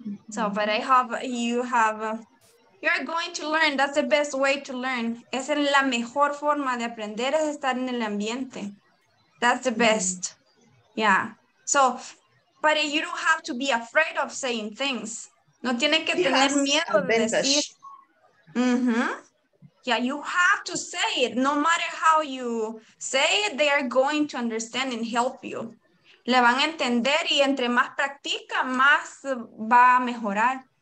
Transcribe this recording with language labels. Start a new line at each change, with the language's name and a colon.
English: So, but I hope you have, you're going to learn. That's the best way to learn.
Spanish: Esa es la mejor forma de aprender, es estar en el ambiente.
English: That's the best. Yeah. So, but you don't have to be afraid of saying things.
Spanish: No tiene que tener miedo de decir. Mm-hmm.
English: Yeah, you have to say it. No matter how you say it, they are going to understand and help you.
Spanish: Le van a entender y entre más practica, más va a mejorar.